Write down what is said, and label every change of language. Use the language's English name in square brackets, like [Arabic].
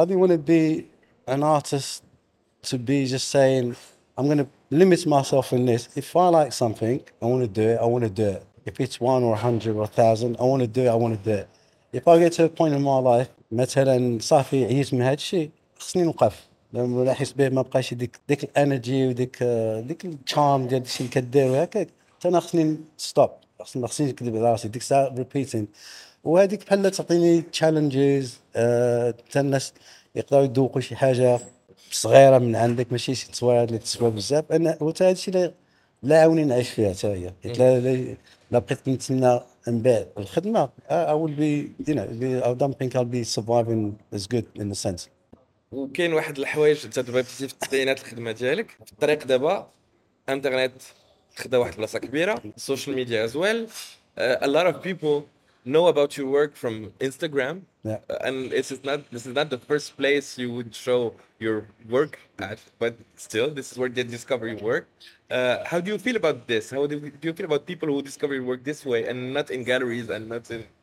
[English] I didn't want to be an artist to be just saying, I'm going to limit myself in this. If I like something, I want to do it, I want to do it. If it's 1 or 100 or 1,000, I want to do it, I want to do it. If I get to a point in my life, [Arabic] مثلا صافي عييت من هذا الشيء خصني نوقف. لما نحس به ما بقاش ديك الانرجي وديك ديك التشارم ديال الشيء اللي كدير وهكاك حتى انا خصني ستوب خصني نكذب على راسي ديك الساعه ريبيتين وهذيك بحال تعطيني تشالنجز حتى الناس يقدروا يذوقوا شي حاجه صغيره من عندك ماشي شي تصويره اللي تسوى بزاف انا وتا هذا الشيء لا عاوني نعيش فيها حتى هي حيت لا بقيت نتسنى من بعد الخدمه [English] I will be, you know, I don't think I'll be surviving as good in a sense. [Arabic] وكاين واحد الحوايج انت دابا في التسعينات الخدمه ديالك في الطريق دابا انترنت خدا واحد البلاصه كبيره السوشيال ميديا [English] as well. A lot of people know about your work from Instagram. Yeah. And this is not the first place you would show your work at, but still this is where they discover your work. How do you feel about this? How do you feel about people who discover your work this way and not in galleries and not in